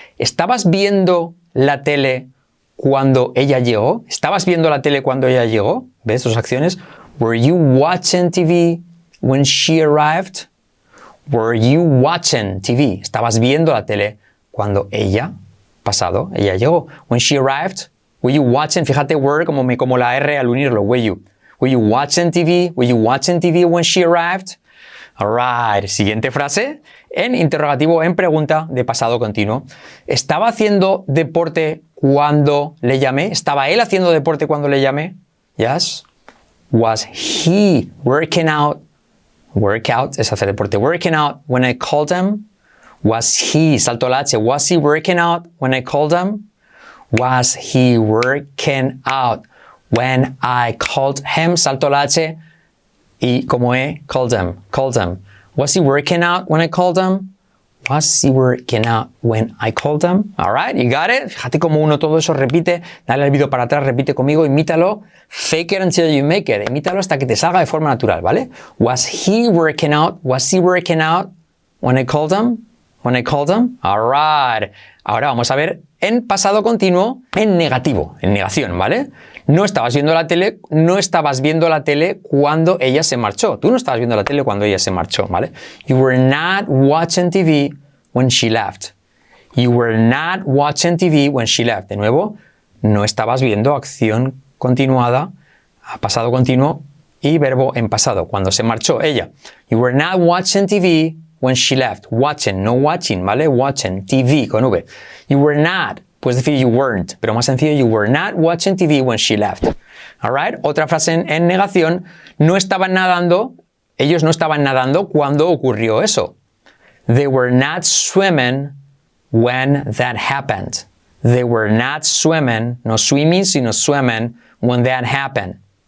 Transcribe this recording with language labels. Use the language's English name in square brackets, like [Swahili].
[Spanish] ¿Estabas viendo la tele cuando ella llegó? ¿Estabas viendo la tele cuando ella llegó? ¿Ves dos acciones? [English] ¿Were you watching TV when she arrived? ¿Were you watching TV? [Spanish] ¿Estabas viendo la tele cuando ella, pasado, ella llegó? [English] ¿When she arrived? ¿Were you watching? [Spanish] Fíjate, [English] were, [Spanish] como la R al unirlo, [English] were you. Were you watching TV? Were you watching TV when she arrived? All right. [Spanish] Siguiente frase. En interrogativo, en pregunta de pasado continuo. ¿Estaba haciendo deporte cuando le llamé? ¿Estaba él haciendo deporte cuando le llamé? [English] Yes. Was he working out? Workout [Spanish] es hacer deporte. [English] Working out when I called him. Was he, [Spanish] salto la H. [English] Was he working out when I called him? Was he working out? When I called him, [Spanish] salto la H, y como E, [English] called him. Was he working out when I called him? Was he working out when I called him? All right, you got it. [Spanish] Fíjate cómo uno todo eso repite. Dale al video para atrás, repite conmigo, imítalo. [English] Fake it until you make it. [Spanish] Imítalo hasta que te salga de forma natural, ¿vale? [English] Was he working out? Was he working out when I called him? When I called him? All right. [Spanish] Ahora vamos a ver en pasado continuo, en negativo, en negación, ¿vale? No estabas viendo la tele cuando ella se marchó. Tú no estabas viendo la tele cuando ella se marchó, ¿vale? [English] You were not watching TV when she left. You were not watching TV when she left. [Spanish] De nuevo, no estabas viendo acción continuada, pasado continuo y verbo en pasado, cuando se marchó ella. [English] You were not watching TV when she left. Watching, [Spanish] no [English] watching, [Spanish] ¿vale? [English] Watching, TV [Spanish] con V. [English] You were not. [Spanish] Puedes decir [English] you weren't, [Spanish] pero más sencillo, [English] you were not watching TV when she left. All right? [Spanish] Otra frase en negación, no estaban nadando, ellos no estaban nadando cuando ocurrió eso. [English] They were not swimming when that happened. They were not swimming, [Spanish] no [English] swimming, [Spanish] sino [English] swimming, when that happened.